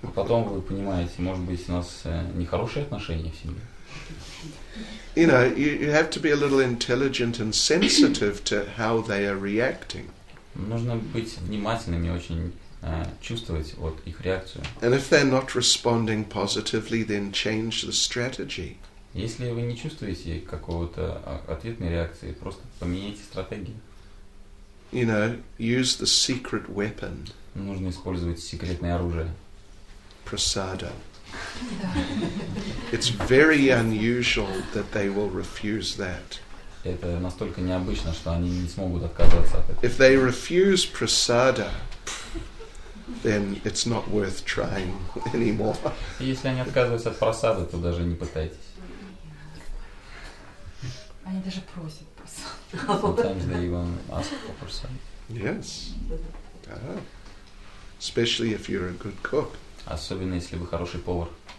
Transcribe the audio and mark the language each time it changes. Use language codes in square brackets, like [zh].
[ru] Потом вы понимаете, может быть, у нас нехорошие отношения в семье. [en] You know, you have to be a little intelligent and sensitive to how they are reacting. [ru] Нужно быть внимательным и очень чувствовать вот их реакцию. [en] And if they're not responding positively, then change the strategy. [ru] Если вы не чувствуете какого-то ответной реакции, просто поменяйте стратегию. [en] You know, use the secret weapon. [ru] Нужно использовать секретное оружие. [en] Prasada. It's very unusual that they will refuse that. [ru] Это настолько необычно, что они не смогут отказаться от этого. [en] If they refuse prasada, then it's not worth trying anymore. [ru] Если они отказываются от прасады, то даже не пытайтесь. Они даже просят. [en] Sometimes they even ask for prasad. Yes. Especially if you're a good cook. [ru] Особенно если вы хороший повар.